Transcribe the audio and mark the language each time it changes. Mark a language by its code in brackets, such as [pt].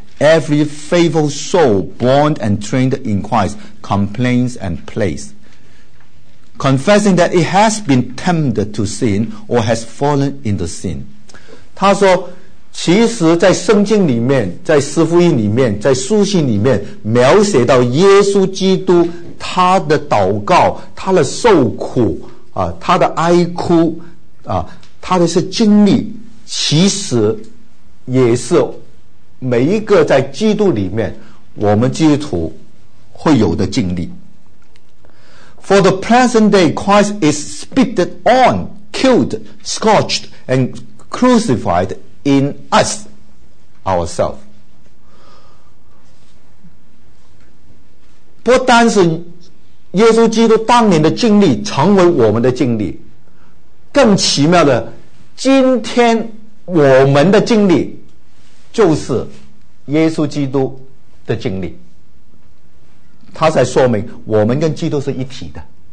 [en] Every faithful soul born and trained in Christ complains and prays, confessing that it has been tempted to sin or has fallen into sin. [zh] 他说，其实在圣经里面，在四福音里面，在书信里面，描写到耶稣基督他的祷告，他的受苦，他的哀哭，他的是经历，其实也是每一个在基督里面我们基督徒会有的经历。 [en] For the present day Christ is spitted on, killed, scorched and crucified in us ourselves. [zh] 不单是耶稣基督当年的经历成为我们的经历，更奇妙的，今天我们的经历就是耶稣基督的经历，他才说明我们跟基督是一体的。